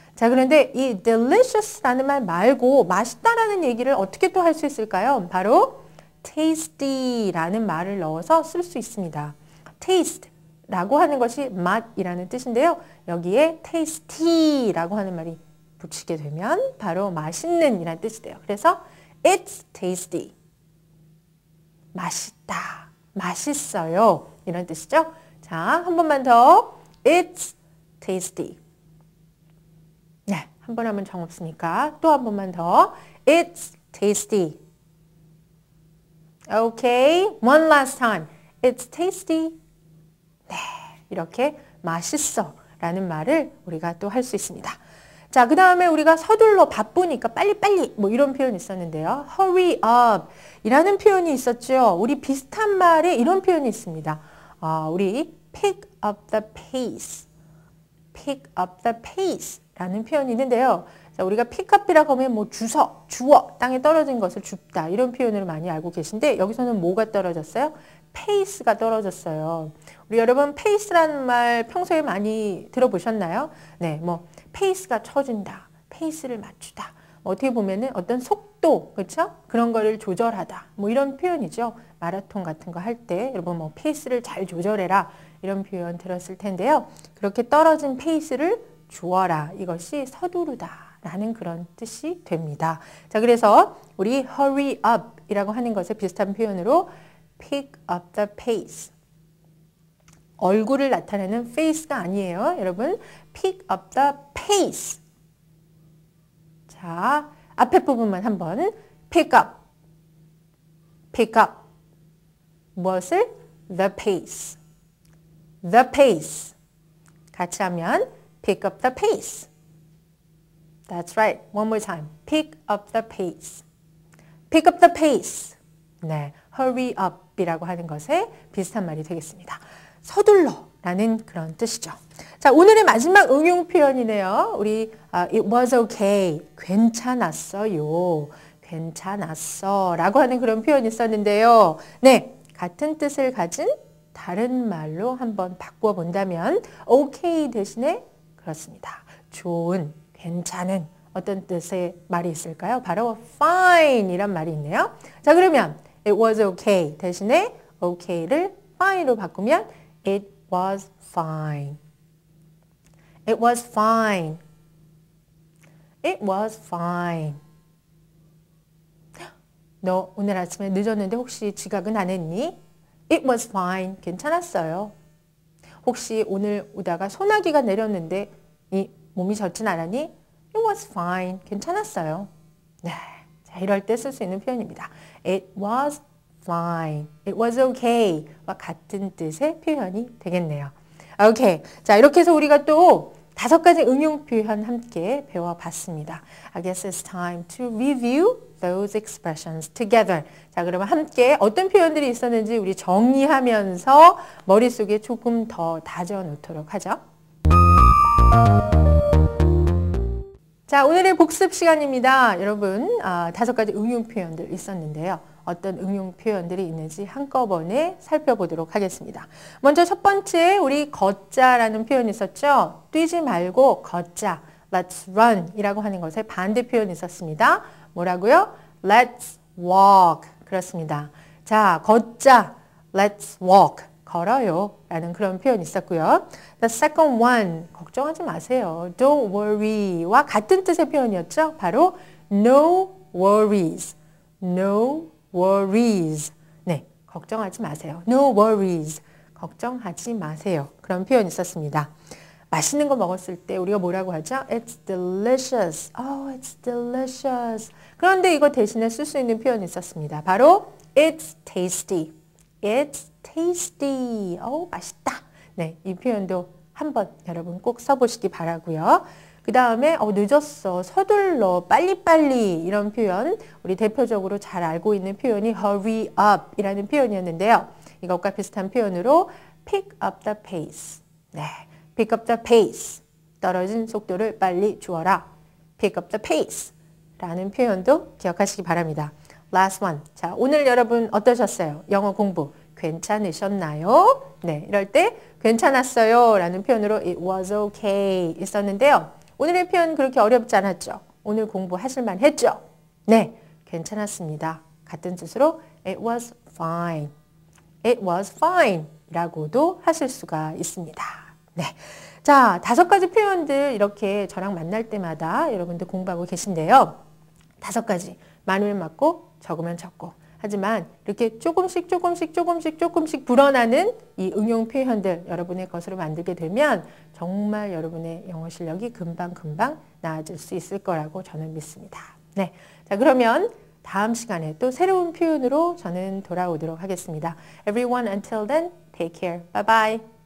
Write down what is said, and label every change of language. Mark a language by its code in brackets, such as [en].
[ko] 자, 그런데 이 delicious라는 말 말고 맛있다라는 얘기를 어떻게 또 할 수 있을까요? 바로 tasty라는 말을 넣어서 쓸 수 있습니다. taste라고 하는 것이 맛이라는 뜻인데요. 여기에 tasty라고 하는 말이 붙이게 되면 바로 맛있는이라는 뜻이 돼요. 그래서 [en] it's tasty. [ko] 맛있다. 맛있어요. 이런 뜻이죠. 자, 한 번만 더. [en] It's tasty. [ko] 네, 한 번 하면 정 없으니까 또 한 번만 더. [en] It's tasty. Okay, one last time. It's tasty. [ko] 네, 이렇게 맛있어 라는 말을 우리가 또 할 수 있습니다. 자, 그 다음에 우리가 서둘러 바쁘니까 빨리빨리 뭐 이런 표현이 있었는데요. Hurry up 이라는 표현이 있었죠. 우리 비슷한 말에 이런 표현이 있습니다. [en] 우리 pick up the pace. Pick up the pace [ko] 라는 표현이 있는데요. 자, 우리가 pick up이라고 하면 뭐 주워, 주워, 땅에 떨어진 것을 줍다 이런 표현으로 많이 알고 계신데 여기서는 뭐가 떨어졌어요? pace가 떨어졌어요. 우리 여러분 pace라는 말 평소에 많이 들어보셨나요? 네, 뭐 페이스가 처진다, 페이스를 맞추다. 어떻게 보면은 어떤 속도, 그렇죠? 그런 거를 조절하다. 뭐 이런 표현이죠. 마라톤 같은 거 할 때 여러분 뭐 페이스를 잘 조절해라 이런 표현 들었을 텐데요. 그렇게 떨어진 페이스를 주어라. 이것이 서두르다라는 그런 뜻이 됩니다. 자, 그래서 우리 hurry up이라고 하는 것에 비슷한 표현으로 [en] pick up the pace. [ko] 얼굴을 나타내는 face가 아니에요. [en] 여러분, pick up the pace. [ko] 자, 앞에 부분만 한번 pick up. [en] Pick up. [ko] 무엇을? [en] The pace. The pace. [ko] 같이 하면 [en] pick up the pace. That's right. One more time. Pick up the pace. Pick up the pace. [ko] 네, hurry up이라고 하는 것에 비슷한 말이 되겠습니다. 서둘러라는 그런 뜻이죠. 자, 오늘의 마지막 응용 표현이네요. 우리 it was okay, 괜찮았어요, 괜찮았어라고 하는 그런 표현이 있었는데요. 네, 같은 뜻을 가진 다른 말로 한번 바꿔 본다면 okay 대신에 그렇습니다. 좋은, 괜찮은 어떤 뜻의 말이 있을까요? 바로 fine이란 말이 있네요. 자, 그러면 it was okay 대신에 okay를 fine으로 바꾸면 [en] It was fine. It was fine. It was fine. [ko] 너 오늘 아침에 늦었는데 혹시 지각은 안 했니? [en] It was fine. [ko] 괜찮았어요. 혹시 오늘 오다가 소나기가 내렸는데 이 몸이 젖진 않았니? [en] It was fine. [ko] 괜찮았어요. 네, 자, 이럴 때 쓸 수 있는 표현입니다. [en] It was fine. It was okay. [ko] 와 같은 뜻의 표현이 되겠네요. [en] Okay. [ko] 자, 이렇게 해서 우리가 또 다섯 가지 응용 표현 함께 배워봤습니다. [en] I guess it's time to review those expressions together. [ko] 자, 그러면 함께 어떤 표현들이 있었는지 우리 정리하면서 머릿속에 조금 더 다져놓도록 하죠. 자, 오늘의 복습 시간입니다. 여러분, 다섯 가지 응용 표현들 있었는데요. 어떤 응용 표현들이 있는지 한꺼번에 살펴보도록 하겠습니다. 먼저 첫 번째 우리 걷자라는 표현이 있었죠. 뛰지 말고 걷자. [en] Let's run [ko] 이라고 하는 것의 반대 표현이 있었습니다. 뭐라고요? [en] Let's walk. [ko] 그렇습니다. 자, 걷자. [en] Let's walk. [ko] 걸어요. 라는 그런 표현이 있었고요. [en] The second one. [ko] 걱정하지 마세요. [en] Don't worry. [ko] 와 같은 뜻의 표현이었죠. [en] 바로 no worries. No worries. Worries. [ko] 네, 걱정하지 마세요. [en] No worries. [ko] 걱정하지 마세요. 그런 표현이 있었습니다. 맛있는 거 먹었을 때 우리가 뭐라고 하죠? [en] It's delicious. Oh, it's delicious. [ko] 그런데 이거 대신에 쓸 수 있는 표현이 있었습니다. [en] 바로 It's tasty. It's tasty. [ko] 어우, 맛있다. 네, 이 표현도 한번 여러분 꼭 써보시기 바라고요. 그 다음에 늦었어, 서둘러, 빨리빨리 이런 표현, 우리 대표적으로 잘 알고 있는 표현이 hurry up 이라는 표현이었는데요. 이것과 비슷한 표현으로 [en] pick up the pace. 네, pick up the pace. [ko] 떨어진 속도를 빨리 주어라. [en] pick up the pace [ko] 라는 표현도 기억하시기 바랍니다. [en] Last one. [ko] 자, 오늘 여러분 어떠셨어요? 영어 공부 괜찮으셨나요? 네, 이럴 때 괜찮았어요 라는 표현으로 [en] it was okay [ko] 있었는데요. 오늘의 표현 그렇게 어렵지 않았죠? 오늘 공부하실만 했죠? 네, 괜찮았습니다. [en] 같은 뜻으로 it was fine. It was fine [ko] 라고도 하실 수가 있습니다. 네, 자, 다섯 가지 표현들 이렇게 저랑 만날 때마다 여러분들 공부하고 계신데요. 다섯 가지, 많으면 맞고 적으면 적고. 하지만 이렇게 조금씩 조금씩 조금씩 조금씩 불어나는 이 응용 표현들 여러분의 것으로 만들게 되면 정말 여러분의 영어 실력이 금방금방 나아질 수 있을 거라고 저는 믿습니다. 네, 자 그러면 다음 시간에 또 새로운 표현으로 저는 돌아오도록 하겠습니다. [en] Everyone, until then, take care. Bye-bye.